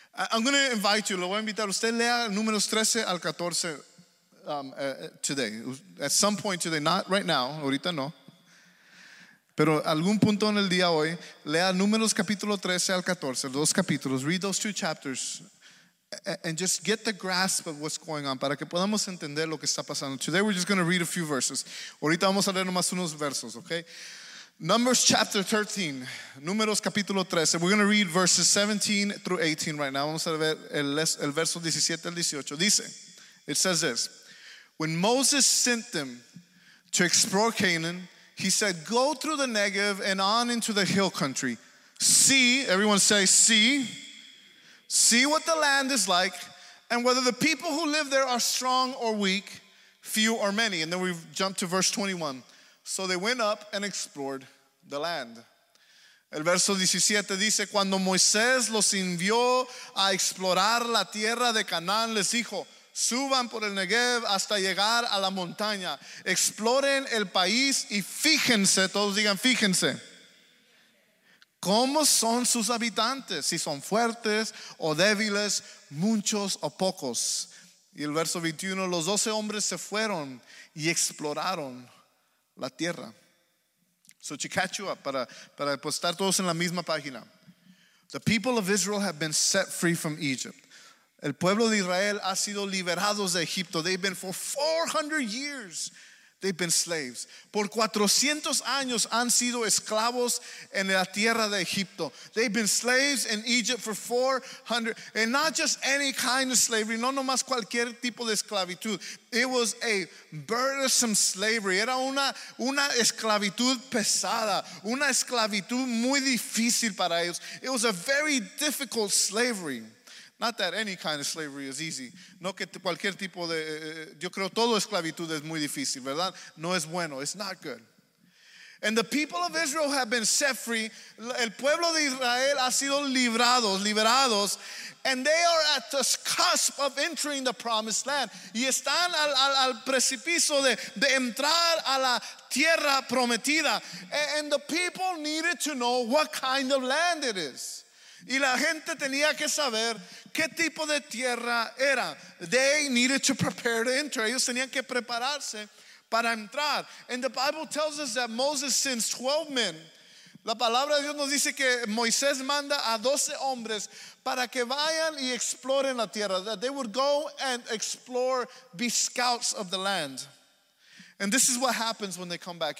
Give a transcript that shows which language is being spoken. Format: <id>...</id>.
<en>I'm going to invite you,</en> <es>lo voy a invitar, usted lea Números 13 al 14</es> <en>today, at some point today, not right now,</en> <es>ahorita no. Pero algún punto en el día hoy, lea Números capítulo 13 al 14, dos capítulos,</es> <en>read those two chapters and just get the grasp of what's going on</en> <es>para que podamos entender lo que está pasando.</es> <en>Today we're just going to read a few verses.</en> <es>Ahorita vamos a leer nomás unos versos, okay?</es> <en>Numbers chapter 13,</en> <es>Números capítulo 13.</es> <en>We're going to read verses 17 through 18 right now.</en> <es>Vamos a ver el verso 17 al 18.</es> <en>Dice, it says this, when Moses sent them to explore Canaan, he said, go through the Negev and on into the hill country. See, everyone say, see. See what the land is like and whether the people who live there are strong or weak, few or many. And then we jump to verse 21. So they went up and explored the land.</en> <es>El verso 17 dice, cuando Moisés los envió a explorar la tierra de Canaán, les dijo, suban por el Negev hasta llegar a la montaña. Exploren el país y fíjense, todos digan fíjense, ¿cómo son sus habitantes? Si son fuertes o débiles, muchos o pocos. Y el verso 21, los 12 hombres se fueron y exploraron la tierra.</es> <en>So to catch you up,</en> <es>para estar todos en la misma página.</es> <en>The people of Israel have been set free from Egypt.</en> <es>El pueblo de Israel ha sido liberados de Egipto.</es> <en>They've been for 400 years, they've been slaves.</en> <es>Por 400 años han sido esclavos en la tierra de Egipto.</es> <en>They've been slaves in Egypt for 400, and not just any kind of slavery,</en> <es>no nomás cualquier tipo de esclavitud.</es> <en>It was a burdensome slavery.</en> <es>Era una esclavitud pesada, una esclavitud muy difícil para ellos.</es> <en>It was a very difficult slavery. Not that any kind of slavery is easy.</en> <es>No que cualquier tipo de, yo creo todo esclavitud es muy difícil, ¿verdad? No es bueno,</es> <en>it's not good. And the people of Israel have been set free.</en> <es>El pueblo de Israel ha sido liberados,</es> <en>And they are at the cusp of entering the promised land.</en> <es>Y están al precipicio de entrar a la tierra prometida.</es> <en>And the people needed to know what kind of land it is.</en> <es>Y la gente tenía que saber qué tipo de tierra era.</es> <en>They needed to prepare to enter.</en> <es>Ellos tenían que prepararse para entrar.</es> <en>And the Bible tells us that Moses sends 12 men.</en> <es>La palabra de Dios nos dice que Moisés manda a 12 hombres para que vayan y exploren la tierra.</es> <en>That they would go and explore, be scouts of the land. And this is what happens when they come back.</en>